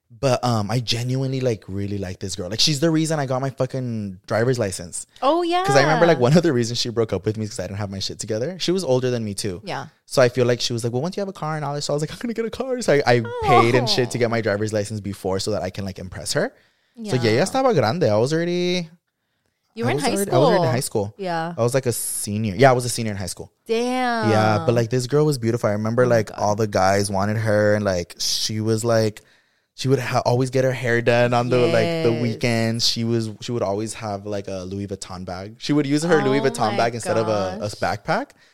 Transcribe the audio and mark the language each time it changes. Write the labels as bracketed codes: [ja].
[en] But I genuinely like really like this girl. Like, she's the reason I got my fucking driver's license. Oh yeah. Because I remember like one of the reasons she broke up with me is because I didn't have my shit together. She was older than me too. Yeah. So I feel like she was like, well, once you have a car and all this, so I was like, I'm gonna get a car. So I paid and shit to get my driver's license before so that I can like impress her. Yeah. So yeah, [es] ya estaba grande. [en] I was already in high school. I was already in high school. Yeah. I was like a senior. Yeah, I was a senior in high school. Damn. Yeah, but like this girl was beautiful. I remember all the guys wanted her and like she was like she would always get her hair done on the weekends. She would always have like a Louis Vuitton bag. She would use her Louis Vuitton bag instead of a backpack.